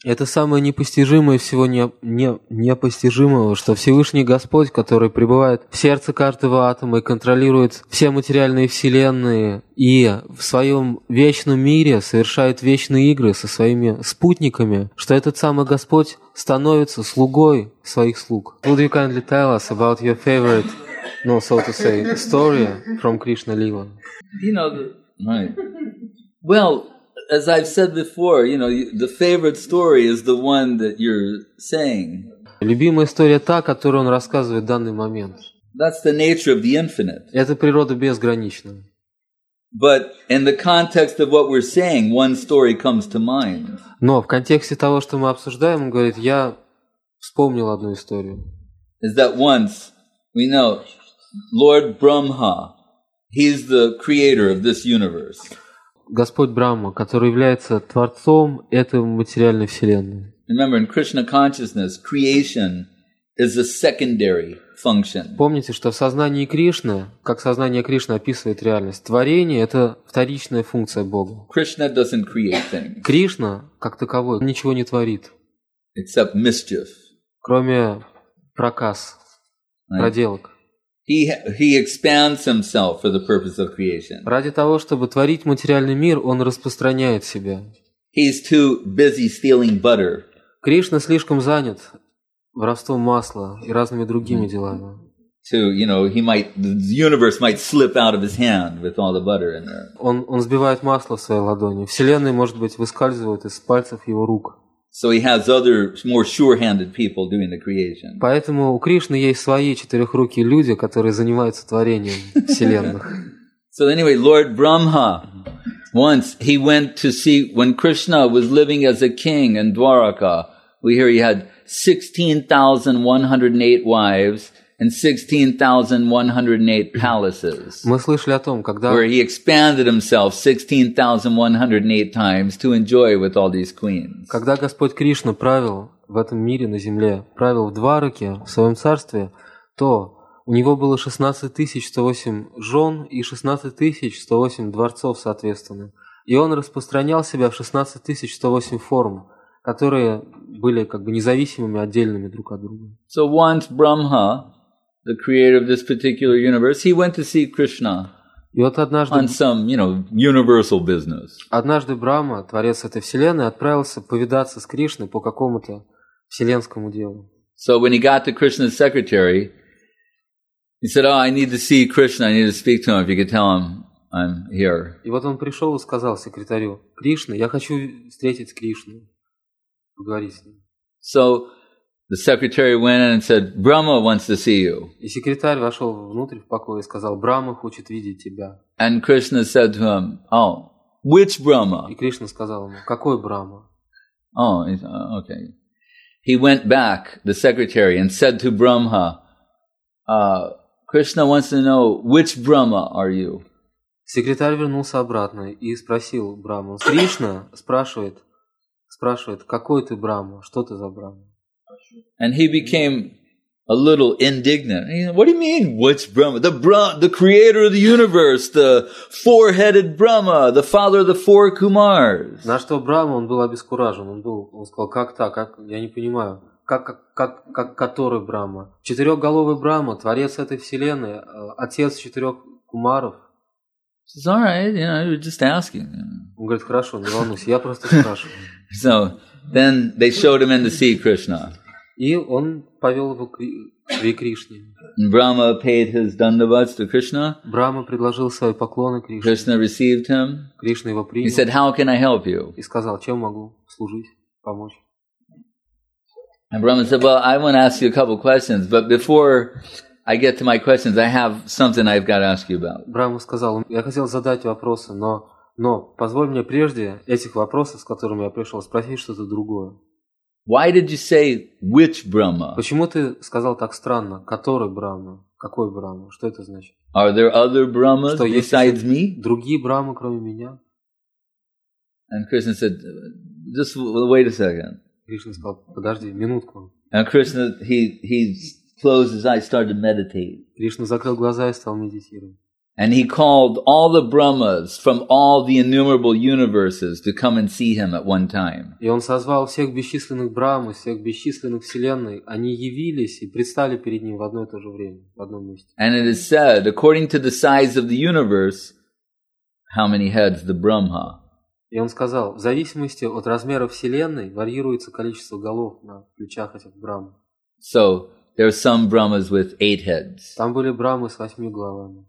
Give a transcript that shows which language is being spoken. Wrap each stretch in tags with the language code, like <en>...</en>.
<ru>Это самое непостижимое всего непостижимого, что Всевышний Господь, который пребывает в сердце каждого атома и контролирует все материальные вселенные и в своем вечном мире совершает вечные игры со своими спутниками, что этот самый Господь становится слугой своих слуг.</ru> <en>Would you kindly tell us about your favorite, no, so to say, story from Krishna Lila? You know, right. Well, as I've said before, you know, the favorite story is the one that you're saying.</en> <ru>Любимая история та, которую он рассказывает в данный момент.</ru> <en>That's the nature of the infinite.</en> <ru>Это природа безграничная.</ru> <en>But in the context of what we're saying, one story comes to mind.</en> <ru>Но в контексте того, что мы обсуждаем, он говорит, я вспомнил одну историю.</ru> <en>Is that once we know Lord Brahma, he's the creator of this universe.</en> <ru>Господь Брахма, который является творцом этой материальной вселенной.</ru> <en>Remember, in Krishna consciousness, creation is a secondary function.</en> <ru>Помните, что в сознании Кришны, как сознание Кришны описывает реальность, творение — это вторичная функция Бога.</ru> <en>Krishna doesn't create things.</en> <ru>Кришна, как таковой, ничего не творит.</ru> <en>Except mischief.</en> <ru>Кроме проказ, проделок.</ru> <en>He expands himself for the purpose of creation.</en> <ru>Ради того, чтобы творить материальный мир, он распространяет себя.</ru> <en>He's too busy stealing butter.</en> <ru>Кришна слишком занят воровством масла и разными другими делами.</ru> <en>To, you know, he might, the universe might slip out of his hand with all the butter in there.</en> <ru>Он сбивает масло в своей ладони. Вселенная, может быть, выскальзывает из пальцев его рук.</ru> <en>So he has other more sure-handed people doing the creation.</en> <ru>Поэтому у Кришны есть свои четырехрукие люди, которые занимаются творением вселенных.</ru> <en>So anyway, Lord Brahma, once he went to see when Krishna was living as a king in Dwaraka. We hear he had 16,108 wives and 16,108 palaces.</en> <ru>Мы слышали о том, когда</ru> <en>where he expanded himself 16,108 times to enjoy with all these queens.</en> <ru>Когда Господь Кришна правил в этом мире на земле, правил в Двараке, в своем царстве, то у него было 16,108 жен и 16,108 дворцов соответственно. И он распространял себя в 16,108 форм, которые были как бы независимыми, отдельными друг от друга.</ru> <en>So once Brahma, the creator of this particular universe, he went to see Krishna on some, you know, universal business.</en> <ru>Однажды Брахма, творец этой вселенной, отправился повидаться с Кришной по какому-то вселенскому делу.</ru> <en>So when he got to Krishna's secretary, he said, "Oh, I need to see Krishna. I need to speak to him. If you could tell him I'm here."</en> <ru>И вот он пришел и сказал секретарю: "Кришна, я хочу встретить Кришну, поговорить с ним."</ru> <en>So the secretary went in and said, "Brahma wants to see you."</en> <ru>И секретарь вошел внутрь в покой и сказал: "Брахма хочет видеть тебя."</ru> <en>And Krishna said to him, "Oh, which Brahma?"</en> <ru>И Кришна сказал ему: "Какой Брахма?"</ru> <en>Oh, okay. He went back, the secretary, and said to Brahma, "Krishna wants to know which Brahma are you?"</en> <ru>Секретарь вернулся обратно и спросил Брахму: "Кришна спрашивает, какой ты Брахма? Что ты за Брахма?"</ru> <en>And he became a little indignant. "What do you mean, which Brahma? The creator of the universe, the four-headed Brahma, the father of the four Kumars."</en> <ru>На что Брахма, он был обескуражен. Он сказал: "Как так? Как, я не понимаю. Как который Брахма? Четырехголовый Брахма, творец этой вселенной, отец четырех кумаров?"</ru> <en>"It's all right, you know, you're just asking."</en> <ru>Он говорит: "Хорошо, не волнуйся, я просто спрашиваю."</ru> <en>So then they showed him in the sea, Krishna.</en> <ru>И он повел его к Шри Кришне.</ru> <en>Brahma paid his dandavats to Krishna.</en> <ru>Брахма предложил свои поклоны Кришне.</ru> <en>Krishna received him.</en> <ru>Кришна его принял.</ru> <en>He said, "How can I help you?"</en> <ru>И сказал: "Чем могу служить, помочь?"</ru> <en>And Brahma said, "Well, I want to ask you a couple questions, but before I get to my questions, I have something I've got to ask you about."</en> <ru>Брахма сказал: "Я хотел задать вопросы, но позволь мне прежде этих вопросов, с которыми я пришел, спросить что-то другое."</ru> <en>"Why did you say which Brahma?"</en> <ru>Почему ты сказал так странно? Который Брахма? Какой Брахма? Что это значит?</ru> <en>"Are there other Brahmas besides me?"</en> <ru>Другие Брахмы, кроме меня?</ru> <en>And Krishna said, "Just wait a second."</en> <ru>Кришна сказал: "Подожди, минутку."</ru> <en>And Krishna, he closed his eyes, started to meditate.</en> <ru>Кришна закрыл глаза и стал медитировать.</ru> <en>And he called all the Brahmas from all the innumerable universes to come and see him at one time.</en> <ru>И он созвал всех бесчисленных Брахм, всех бесчисленных вселенной. Они явились и предстали перед ним в одно и то же время, в одном месте.</ru> <en>And it is said, according to the size of the universe, how many heads the Brahma.</en> <ru>И он сказал, в зависимости от размера вселенной варьируется количество голов на плечах этих Брахм.</ru> <en>So there are some Brahmas with 8 heads.</en> <ru>Там были Брахмы с 8 головами.</ru>